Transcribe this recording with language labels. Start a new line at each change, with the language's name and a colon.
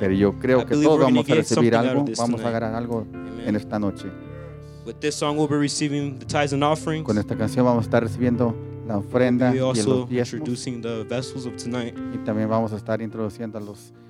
Spanish: Pero yo creo que todos vamos a recibir algo. Vamos a agarrar algo en esta noche.
English: With this song, we'll be receiving the tithes and offerings.
Spanish: Con esta canción vamos a estar recibiendo la ofrenda y los diezmos.
English: We'll be introducing the vessels of tonight.
Spanish: Y también vamos a estar introduciendo los